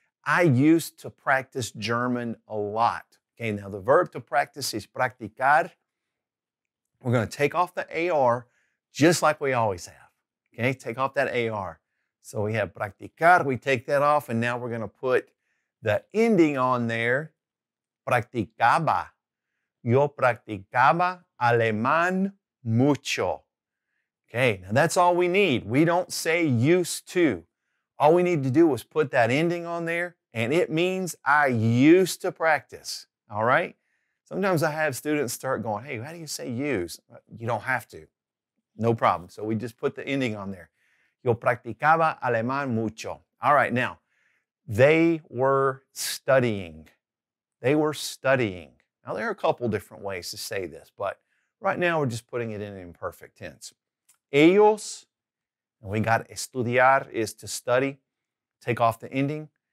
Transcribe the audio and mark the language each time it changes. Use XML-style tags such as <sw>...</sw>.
<en>I used to practice German a lot. Okay, now the verb to practice is practicar. We're going to take off the AR just like we always have, okay? Take off that AR. So we have practicar, we take that off, and now we're going to put the ending on there, practicaba.</en> <es>Yo practicaba alemán mucho.</es> <en>Okay, now that's all we need. We don't say used to. All we need to do is put that ending on there, and it means I used to practice, all right? Sometimes I have students start going, hey, how do you say use? You don't have to. No problem. So we just put the ending on there.</en> <es>Yo practicaba alemán mucho.</es> <en>All right, now, they were studying. They were studying. Now, there are a couple different ways to say this, but right now we're just putting it in an imperfect tense. Ellos, and we got estudiar is to study. Take off the ending.</en>